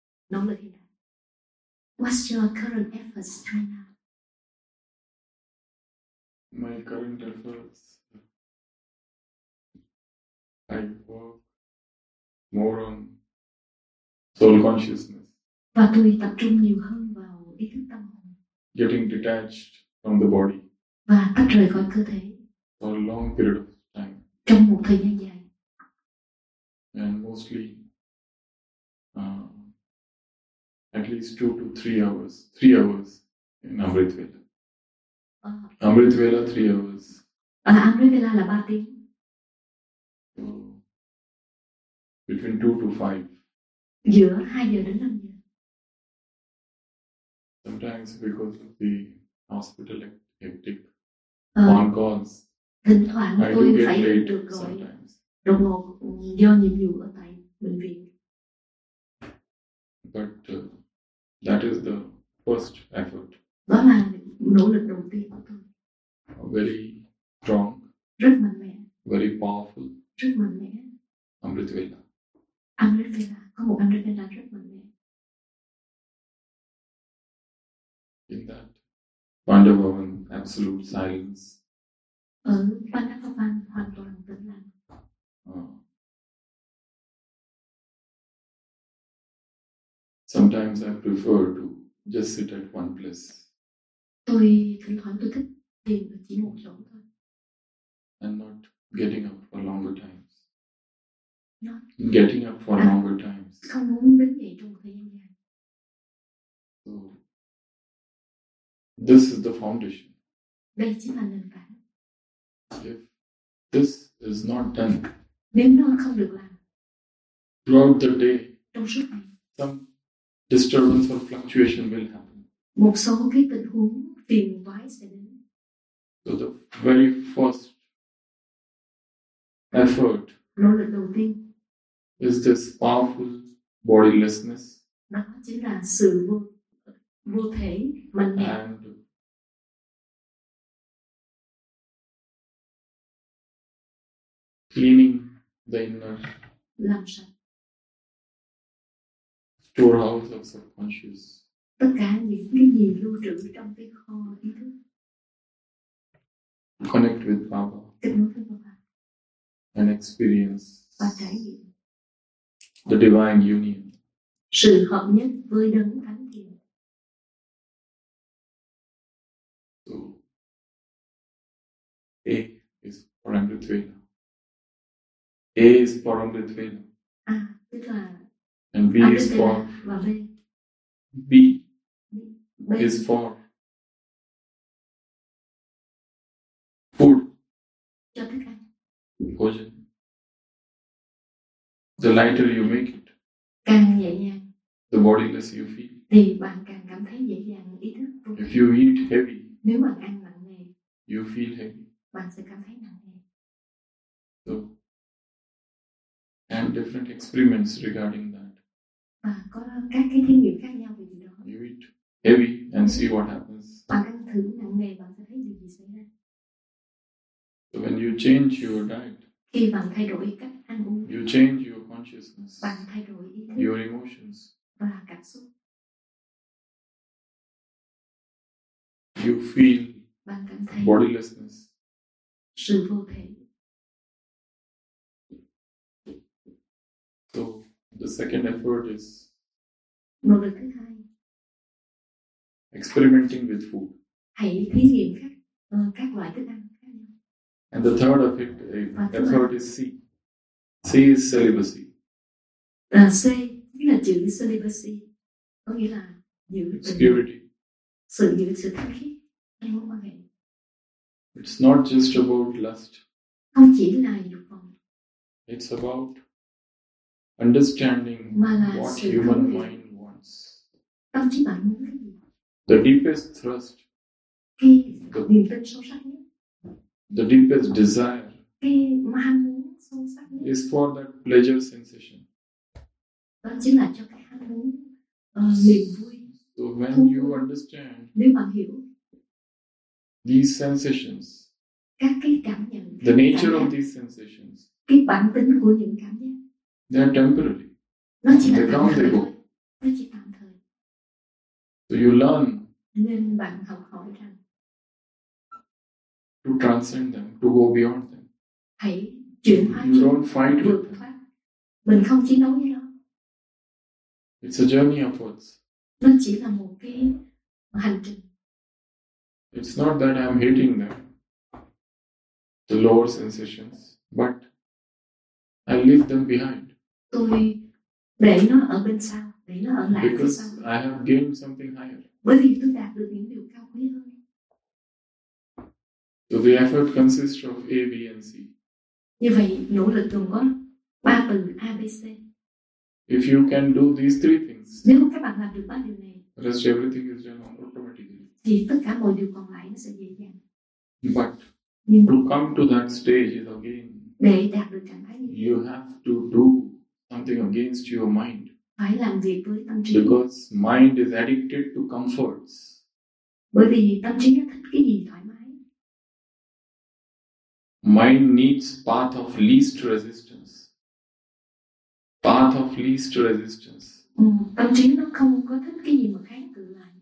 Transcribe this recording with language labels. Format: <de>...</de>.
<en>Normally, what's your current efforts right now? My current efforts, I work more on soul consciousness.</en> <vi>Và tôi tập trung nhiều hơn vào ý thức tâm hồn.</vi> <en>Getting detached from the body.</en> <vi>Và tách rời khỏi cơ thể.</vi> <en>For a long period of time.</en> <vi>Trong một thời gian dài.</vi> <en>And mostly, at least 2 to 3 hours. 3 hours in Amrit Vela. Amrit Vela, 3 hours.</en> <vi>Amrit Vela là 3 tiếng.</vi> <en>So, between 2 to 5.</en> <vi>Giữa 2 giờ đến 5 giờ.</vi> <en>Sometimes because of the hospital hectic on calls.</en> <vi>Thỉnh thoảng tôi phải được gọi đột ngột do nhiệm vụ ở tại bệnh viện.</vi> <en>But that is the first effort.</en> <vi>Đó là nỗ lực đầu tiên của tôi.</vi> <en>Very strong.</en> <vi>Rất mạnh mẽ.</vi> <en>Very powerful.</en> <vi>Rất mạnh mẽ.</vi> <en>Amrit Vela. Amrit Vela.</en> <vi>Có một Amrit Vela rất mạnh mẽ.</vi> <en>In that Pandavavan, absolute silence.</en> <vi>Ở Pandavavan hoàn toàn tĩnh lặng.</vi> <en>Sometimes I prefer to just sit at one place.</en> <vi>Tôi thỉnh thoảng tôi thích tìm ở chỉ một chỗ thôi.</vi> <en>And not getting up for longer times. Not getting up for longer times.</en> <vi>Không muốn đứng dậy trong thời gian dài.</vi> <en>So this is the foundation.</en> <vi>Đây chính là nền tảng.</vi> <en>If this is not done,</en> <vi>nếu nó không được làm,</vi> <en>throughout the day,</en> <vi>trong suốt ngày,</vi> <en>some disturbance or fluctuation will happen.</en> <vi>Một số cái tình huống phiền vãi sẽ đến.</vi> <en>So the very first effort,</en> <vi>nỗ lực đầu tiên,</vi> <en>is this powerful bodylessness.</en> <vi>Đó chính là sự vô thể mạnh mẽ.</vi> <en>Cleaning the inner</en> <vi>làm sạch</vi> <en>storehouse of subconscious.</en> <vi>Tất cả những cái gì lưu trữ trong cái kho ý thức.</vi> <en>Connect with Baba.</en> <vi>Kết nối với Baba.</vi> <en>And experience.</en> <vi>Và trải nghiệm.</vi> <en>The divine union.</en> <vi>Sự hợp nhất với đấng thánh thiện.</vi> <en>So, A is Amrit Vela. A is for Amrit Vela. And B is for B. B is for food. Bhojan. The lighter you make it,</en> <vi>càng dễ dàng.</vi> <en>The bodiless you feel.</en> <vi>Thì bạn càng cảm thấy dễ dàng ý thức.</vi> <en>If you eat heavy,</en> <vi>nếu bạn ăn nặng nề,</vi> <en>you feel heavy.</en> <vi>Bạn sẽ cảm thấy nặng nề.</vi> <en>So, and different experiments regarding that.</en> <vi>À, có các cái thí nghiệm khác nhau về gì đó.</vi> <en>You eat heavy and see what happens.</en> <vi>Bạn ăn thử nặng nề, bạn sẽ thấy điều gì xảy ra.</vi> <en>So when you change your diet,</en> <vi>khi bạn thay đổi cách</vi> <en>You change your consciousness,</en> <vi>bạn thay đổi ý thức,</vi> <en>your emotions,</en> <vi>và cảm xúc.</vi> <en>You feel</en> <vi>bạn cảm thấy</vi> <en>bodilessness,</en> <vi>sự vô thể.</vi> <en>So the second effort is</en> <vi>nỗ lực thứ hai,</vi> <en>experimenting with food,</en> <vi>hãy thí nghiệm các loại thức ăn.</vi> <en>And the third effect, effort is C. C is celibacy.</en> <vi>C nghĩa là chữ celibacy, có nghĩa là giữ</vi> <en>purity,</en> <vi>sự giữ sự thanh khiết trong mối quan hệ.</vi> <en>It's not just about lust.</en> <vi>Không chỉ là dục vọng.</vi> <en>It's about understanding what human mind wants.</en> <vi>Tâm trí bạn muốn cái gì?</vi> <en>The deepest thrust.</en> <vi>Khi niềm tin sâu sắc nhất.</vi> <en>The deepest desire</en> <vi>cái</vi> <en>is for that pleasure sensation.</en> <vi>Đó chính là cho cái ham muốn niềm vui.</vi> <en>So when you understand,</en> <vi>nếu bạn hiểu</vi> <en>these sensations,</en> <vi>các cái cảm nhận,</vi> <en>the nature of these sensations,</en> <vi>cái bản tính của những cảm nhận,</vi> <en>they are temporary.</en> <vi>Nó chỉ là tạm thời. Nó chỉ tạm thời.</vi> <en>So you learn.</en> <vi>Nên bạn học hỏi rằng</vi> <en>to transcend them, to go beyond them.</en> <vi>Hãy chuyển hóa.</vi> <en>You don't fight with them.</en> <vi>Mình không chiến đấu với nó.</vi> <en>It's a journey upwards.</en> <vi>Nó chỉ là một cái hành trình.</vi> <en>It's not that I'm hating them, the lower sensations, but I leave them behind.</en> <vi>Tôi để nó ở bên sau, để nó ở lại</vi> <en>because</en> <vi>phía sau.</vi> <en>Because I have gained something higher.</en> <vi>Bởi vì tôi đạt được những điều cao quý hơn.</vi> <en>So the effort consists of A, B, and C.</en> <vi>Như vậy, nỗ lực gồm có ba từ A, B, C.</vi> <en>If you can do these three things,</en> <vi>nếu các bạn làm được ba điều này,</vi> <en>rest everything is done automatically.</en> <vi>Thì tất cả mọi điều còn lại nó sẽ dễ dàng.</vi> <en>But</en> <vi>nhưng</vi> <en>to come to that stage is again,</en> <vi>để đạt được trạng thái như</vi> <en>you have to do something against your mind.</en> <vi>Phải làm việc với tâm trí.</vi> <en>Because mind is addicted to comforts.</en> <vi>Bởi vì tâm trí nó thích cái gì thoải mái.</vi> <en>Mind needs path of least resistance. Path of least resistance.</en> <vi>Tâm trí nó không có thích cái gì mà kháng cự lại.</vi>